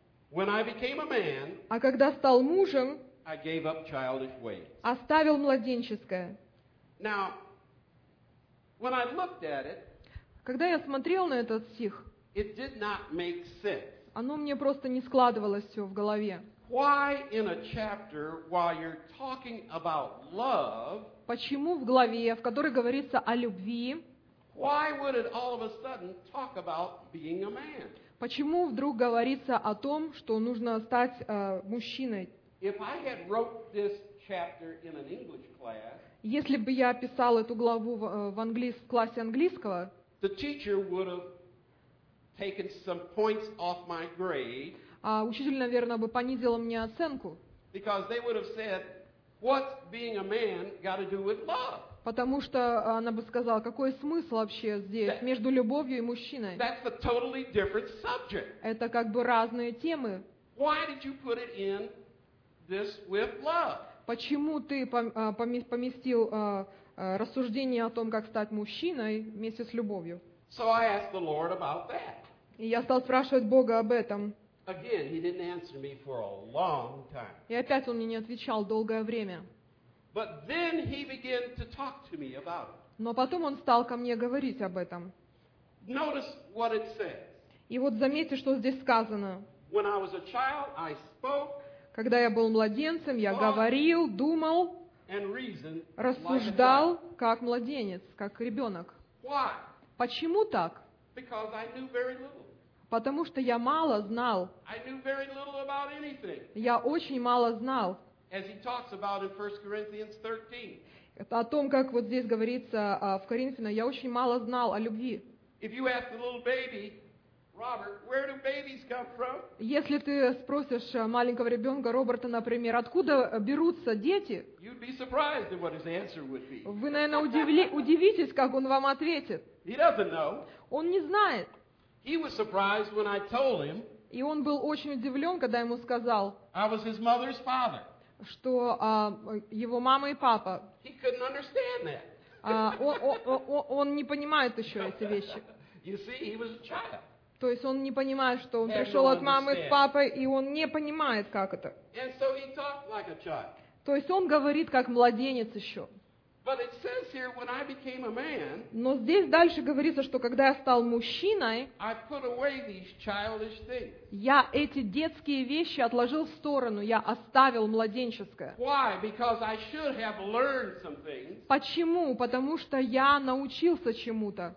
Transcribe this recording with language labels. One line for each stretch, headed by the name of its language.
English: When I became a man,
Russian: а когда стал мужем,
English: I gave up childish ways.
Russian: Оставил младенческое.
English: Now, when I looked at it,
Russian: когда я смотрел на этот стих,
English: it did not make sense.
Russian: Оно мне просто не складывалось все в голове.
English: Why in a chapter while you're talking about love,
Russian: почему в главе, в которой говорится о любви,
English: why would it all of a sudden talk about being a man?
Russian: Почему вдруг говорится о том, что нужно стать мужчиной?
English: If I had wrote this chapter in an English class,
Russian: если бы я писал эту главу в классе английского,
English: the teacher would have taken some points off my grade.
Russian: А учитель, наверное, бы понизил мне оценку.
English: Because they would have said, what's being a man got to do with love?
Russian: Потому что она бы сказала, какой смысл вообще здесь между любовью и мужчиной?
English: That's a totally different subject.
Russian: Это как бы разные темы.
English: Why did you put it in this with love?
Russian: Почему ты поместил рассуждение о том, как стать мужчиной вместе с любовью?
English: So I asked the Lord about that.
Russian: И я стал спрашивать Бога об этом.
English: Again, he didn't answer me for a long time.
Russian: И опять он мне не отвечал долгое время.
English: But then he began to talk to me about it.
Russian: Но потом он стал ко мне говорить об этом.
English: Notice what it says.
Russian: И вот заметьте, что здесь сказано.
English: When I was a child, I spoke.
Russian: Когда я был младенцем, я говорил, думал,
English: and reasoned,
Russian: рассуждал,
English: like a child.
Russian: Как младенец, как ребенок.
English: Why?
Russian: Почему так?
English: Because I knew very little.
Russian: Потому что я мало знал.
English: I knew very little about anything.
Russian: Я очень мало знал.
English: As he talks about in 1 Corinthians 13.
Russian: Это о том, как вот здесь говорится в Коринфянам, я очень мало знал о любви.
English: If you ask the little baby, Robert, where do babies come from?
Russian: Если ты спросишь маленького ребенка Роберта, например, откуда берутся дети?
English: You'd be surprised at what his answer would be.
Russian: Вы, наверное, удивитесь, как он вам ответит.
English: He doesn't know.
Russian: Он не знает.
English: He was surprised when I told him.
Russian: И он был очень удивлен, когда ему сказал.
English: I was his mother's father.
Russian: Что его мама и папа.
English: He couldn't understand that.
Russian: Он не понимает еще эти вещи.
English: You see, he was a child.
Russian: То есть он не понимает, что он пришел от мамы с папой, и он не понимает, как это.
English: And so he talked like a child.
Russian: То есть он говорит, как младенец еще.
English: But it says here, when I became a man,
Russian: но здесь дальше говорится, что когда я стал мужчиной,
English: I put away these childish things.
Russian: Я эти детские вещи отложил в сторону, я оставил младенческое.
English: Why? Because I should have learned some things.
Russian: Почему? Потому что я научился чему-то.